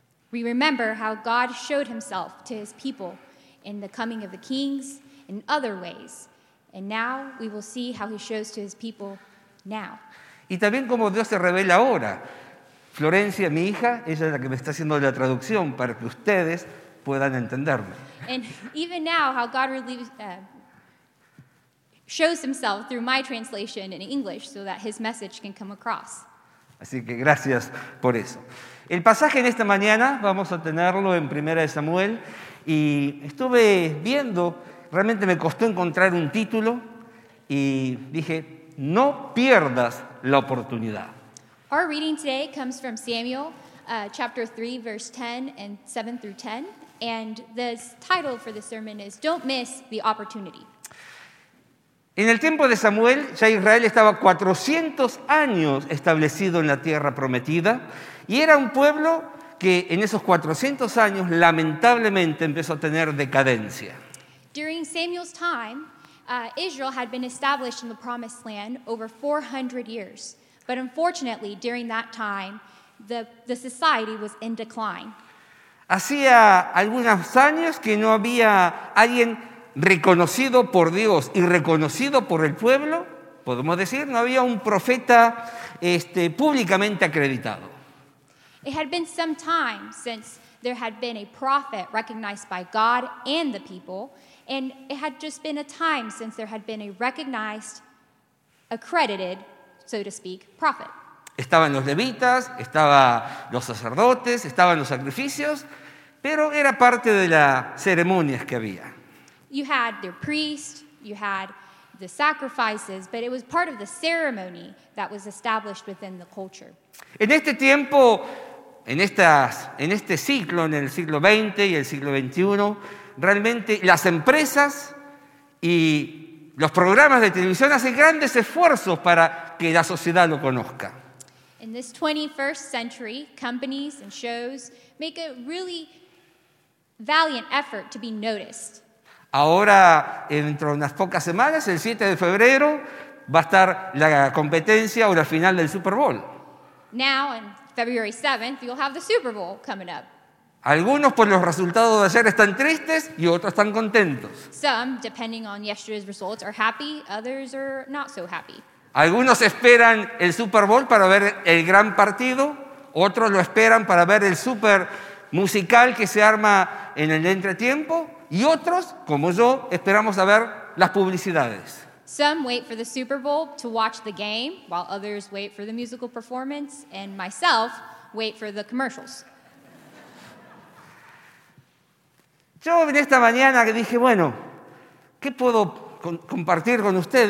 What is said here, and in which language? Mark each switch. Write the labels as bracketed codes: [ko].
[en] We remember how God showed himself to his people in the coming of the kings in other ways. And now we will see how he shows to his people now. [es] Y también cómo Dios se revela ahora. Florencia, mi hija, ella es la que me está haciendo la traducción para que ustedes puedan entenderme. [en] And even now how God shows himself through my translation in English so that his message can come across. [es] Así que gracias por eso. El pasaje en esta mañana vamos a tenerlo en Primera de Samuel y estuve viendo, realmente me costó encontrar un título y dije, no pierdas la oportunidad. [en] Our reading today comes from Samuel chapter 3 verse 10 and 7 through 10 and the title for the sermon is Don't Miss the Opportunity. [es] En el tiempo de Samuel, ya Israel estaba 400 años establecido en la tierra prometida y era un pueblo que en esos 400 años lamentablemente empezó a tener decadencia. [en] During Samuel's time, Israel had been established in the promised land over 400 years. But unfortunately, during that time, the society was in decline. [es] Hacía algunos años que no había alguien reconocido por Dios y reconocido por el pueblo, podemos decir, no había un profeta públicamente acreditado. [en] It had been some time since there had been a prophet recognized by God and the people, and it had just been a time since there had been a recognized, accredited, so to speak, prophet. [es] Estaban los levitas, estaban los sacerdotes, estaban los sacrificios, pero era parte de las ceremonias que había. [en] You had their priest, you had the sacrifices, but it was part of the ceremony that was established within the culture. [es] En este tiempo, en este ciclo, en el siglo XX y el siglo XXI, realmente las empresas y los programas de televisión hacen grandes esfuerzos para que la sociedad lo conozca. [en] In this 21st century, companies and shows make a really valiant effort to be noticed. [es] Ahora, dentro de unas pocas semanas, el 7 de febrero, va a estar la competencia o la final del Super Bowl. [en] Now, on February 7th, you'll have the Super Bowl coming up. [es] Algunos por los resultados de ayer están tristes y otros están contentos. [en] Some, depending on yesterday's results, are happy, others are not so happy. [es] Algunos esperan el Super Bowl para ver el gran partido, otros lo esperan para ver el super musical que se arma en el entretiempo, y otros, como yo, esperamos a ver las publicidades. [en] Some wait for the Super Bowl to watch the game, while others wait for the musical performance, and myself wait for the commercials. [es] Yo en esta mañana dije, bueno, ¿qué puedo compartir con usted?